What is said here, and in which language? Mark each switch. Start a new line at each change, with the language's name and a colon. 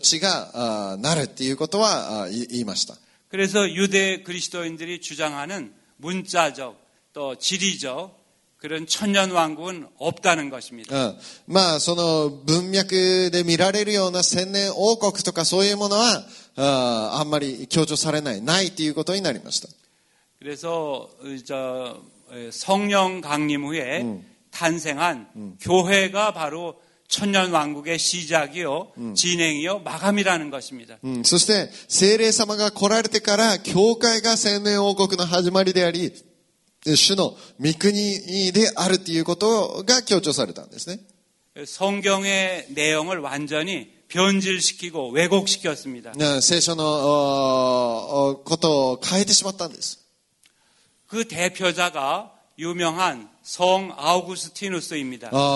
Japanese: まあイエス様が来られてからまたもう新しい天と地がなるっていうことは言いました。
Korean: 그래서 유대 그리스도인들이 주장하는 문자적 또 지리적 그런 천년 왕국은 없다는 것입니다.
Japanese: まあその文脈で見られるような千年王国とかそういうものはあんまり強調されないないっていうことになりました。
Korean: 그래서 이제 성령 강림 후에 탄생한 교회가 바로 천년 왕국의 시작이요, 진행이요, 마감이라는 것입니다.
Japanese: そして聖霊様が来られてから教会が千年王国の始まりであり主の御国であるということが強調されたんですね。
Korean: 성경의 내용을 완전히 변질시키고 왜곡시켰습니다.
Japanese: 聖書のことを変えてしまったんです。
Korean: 그 대표자가 유명한 성 아우구스티누스입니다.